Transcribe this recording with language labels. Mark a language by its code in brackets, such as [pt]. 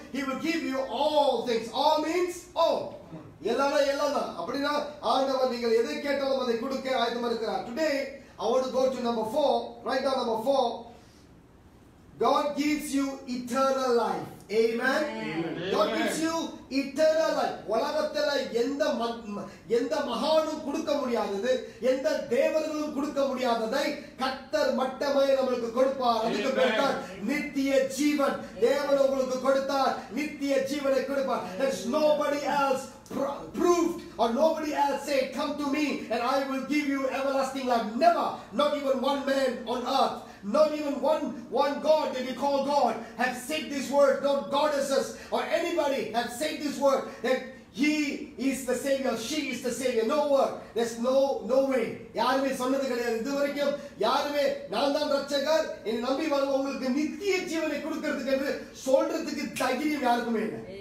[en] He will give you all things. All means all. Today, I want to go to number four. Write down number four. God gives you eternal life. Amen. God gives you eternal life. [ta] உலகத்துல எந்த மகானும் கொடுக்க முடியாதது, எந்த தேவர்களும் கொடுக்க முடியாததை கர்த்தர் மட்டமே நம்மளுக்கு கொடுப்பார். அதுக்கு பேர் நித்திய ஜீவன். தேவன் உங்களுக்கு கொடுத்தார் நித்திய ஜீவனை கொடுப்பார். [en] There's nobody else proved or nobody else said, come to me and I will give you everlasting life. Never, not even one man on earth, not even one God that you call God have said this word, not goddesses or anybody have said this word that He is the Savior, she is the Savior. No word. There's no way. [ta] யாருமே சொன்னது கிடையாது. இது வரைக்கும் யாருமே நான் தான் ரட்சகர், என் நம்பி வரும் உங்களுக்கு நித்திய ஜீவனை கொடுக்கிறதுக்கு என்று சொல்றதுக்கு தகுதியும் யாருக்குமே இல்லை.